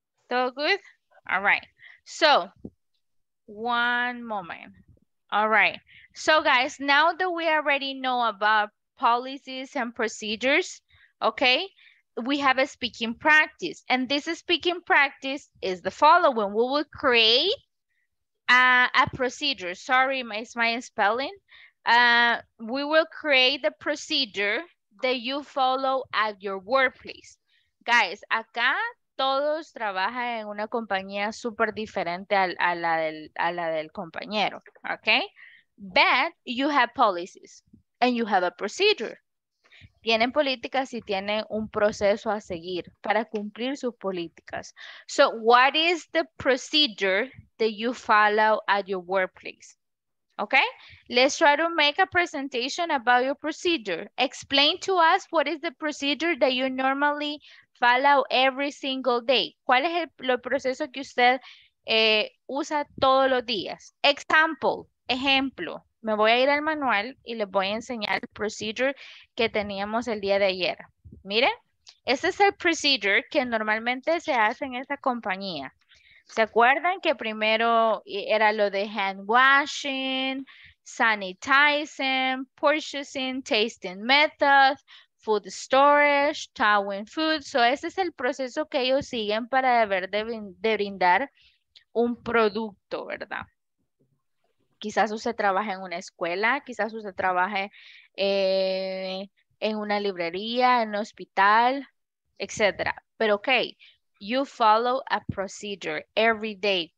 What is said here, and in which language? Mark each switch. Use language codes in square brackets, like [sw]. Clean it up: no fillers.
[en] all good, all right, so, one moment, all right, so guys, now that we already know about policies and procedures, okay, we have a speaking practice, and this speaking practice is the following, we will create a procedure, sorry, it's my spelling. We will create the procedure that you follow at your workplace. [es] Guys, acá todos trabajan en una compañía súper diferente a la del compañero, okay? [en] But you have policies and you have a procedure. [es] Tienen políticas y tienen un proceso a seguir para cumplir sus políticas. [en] So, what is the procedure that you follow at your workplace? Okay? Let's try to make a presentation about your procedure. Explain to us what is the procedure that you normally follow every single day. [es] ¿Cuál es el proceso que usted usa todos los días? Example, ejemplo. Me voy a ir al manual y les voy a enseñar el procedure que teníamos el día de ayer. Miren, este es el procedure que normalmente se hace en esta compañía. ¿Se acuerdan que primero era lo de [en] hand washing, sanitizing, purchasing, tasting method, food storage, towing food? [es] So, ese es el proceso que ellos siguen para deber de brindar un producto, ¿verdad? Quizás usted trabaje en una escuela, quizás usted trabaje en una librería, en un hospital, etc. [en] Pero ok, you follow a procedure every day.